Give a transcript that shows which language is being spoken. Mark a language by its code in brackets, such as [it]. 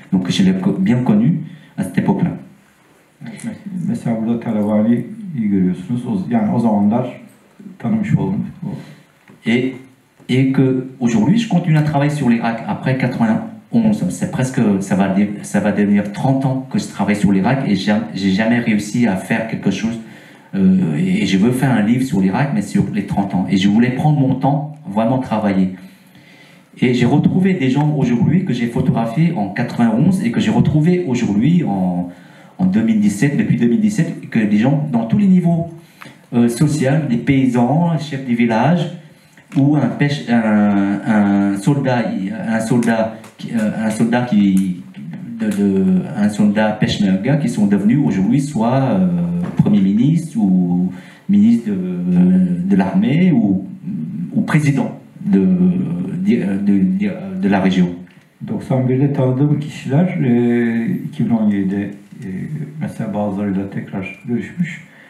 [fr] Donc je l'ai bien connu à cette époque-là. [tr] Mesela burada Talabani'yi görüyorsunuz. Yani o zamanlar tanımış oldum. [fr] Et que aujourd'hui je continue à travailler sur l'Irak après 91. C'est presque, ça va devenir 30 ans que je travaille sur l'Irak et j'ai jamais réussi à faire quelque chose. Et je veux faire un livre sur l'Irak, mais sur les 30 ans. Et je voulais prendre mon temps, vraiment travailler. Et j'ai retrouvé des gens aujourd'hui que j'ai photographiés en 91 et que j'ai retrouvé aujourd'hui en 2017, depuis 2017, que des gens dans tous les niveaux sociaux, des paysans, chefs des villages, ou un soldat peshmerga qui sont devenus aujourd'hui soit premier ministre ou ministre de l'armée ou président de la région. [tr] 91'de tanıdığım kişiler 2017'de mesela bazılarıyla tekrar görüşmüş.